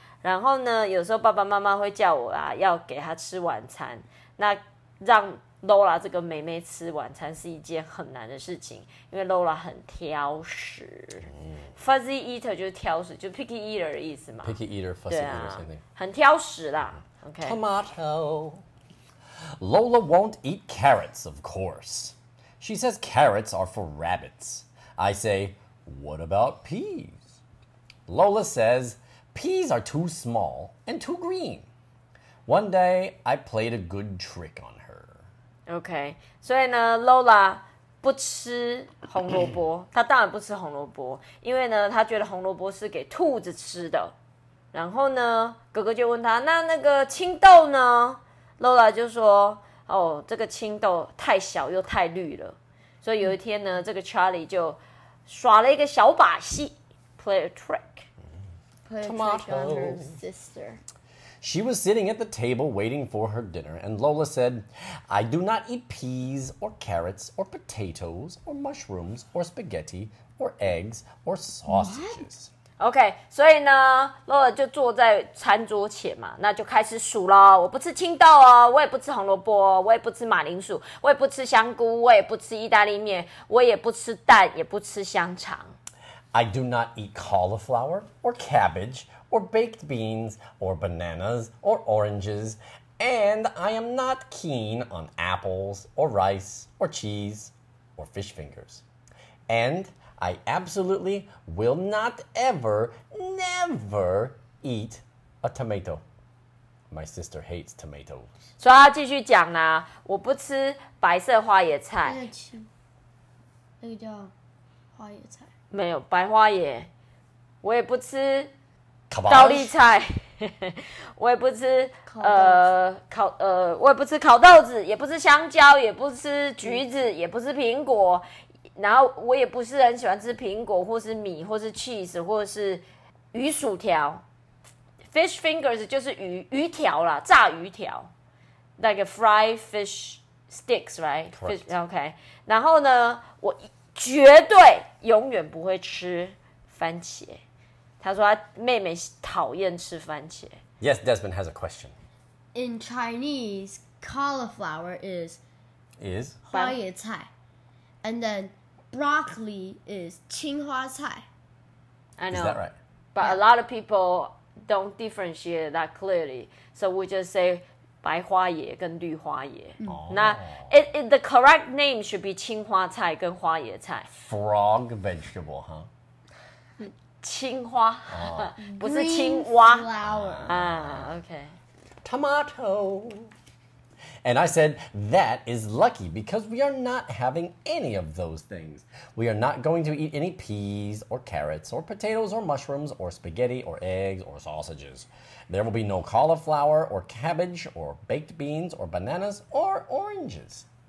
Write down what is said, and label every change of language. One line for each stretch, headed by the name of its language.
Chinese: 然后呢，有时候爸爸妈妈会叫我啊，要给她吃晚餐，那让Lola 这个妹妹吃晚餐是一件很难的事情，因为 Lola 很挑食。Mm. Fuzzy eater 就是挑食，就 picky eater 的意思嘛。
English: Picky eater, fuzzy eater, something.
Chinese: 很挑食啦。Okay.
English: Tomato. Lola won't eat carrots, of course. She says carrots are for rabbits. I say, what about peas? Lola says, peas are too small and too green. One day, I played a good trick on her.
Chinese: OK， 所以呢 ，Lola 不吃红萝卜，她当然不吃红萝卜，因为呢，她觉得红萝卜是给兔子吃的。然后呢，哥哥就问她，那个青豆呢 ？Lola 就说，哦，这个青豆太小又太绿了。所以有一天呢，这个 Charlie 就耍了一个小把戏 ，
English: play a trick。 Tomato. Sister. She was sitting at the table waiting for her dinner, and Lola said, I do not eat peas, or carrots, or potatoes, or mushrooms, or spaghetti, or eggs, or sausages.
Chinese: OK, 所以呢 ,Lola 就坐在餐桌前嘛，那就开始数咯，我不吃青豆哦，我也不吃红萝卜哦，我也不吃马铃薯，我也不吃香菇，我也不吃意大利面，我也不吃蛋，也不吃香肠。
English: I do not eat cauliflower, or cabbage,or baked beans, or bananas, or oranges, and I am not keen on apples, or rice, or cheese, or fish fingers. And I absolutely will not ever, never eat a tomato. My sister hates tomatoes.
Chinese: 所以要继续讲啦，我不吃白色花椰菜。那个叫花椰菜。没有，白花椰。我也不吃高丽菜，我也不吃我也不吃烤豆子，也不吃香蕉，也不吃橘子，也不吃苹果。然后我也不是很喜欢吃苹果，或是米，或是 cheese， 或是鱼薯条。 Fish fingers 就是鱼条啦，炸鱼条 ，
English: like fried fish sticks， right？ Fish, OK。
Chinese: 然后呢，我绝对永远不会吃番茄。他说他妹妹讨厌吃番茄。
English: Yes, Desmond has a question. In Chinese, cauliflower is 花椰菜 and then broccoli is 青花菜。 I know. Is that right? But a lot of people don't differentiate that clearly, so we just say
Chinese: 白花椰跟绿花椰。
English: 那、the correct name should be
Chinese: 青花菜跟花椰菜。
English: Frog vegetable, huh?
Chinese: 青花、不是青蛙、okay.
English: Tomato. And I said, that is lucky because we are not having any of those things. We are not going to eat any peas or carrots or potatoes or mushrooms or spaghetti or eggs or sausages. There will be no cauliflower or cabbage or baked beans or bananas or oranges.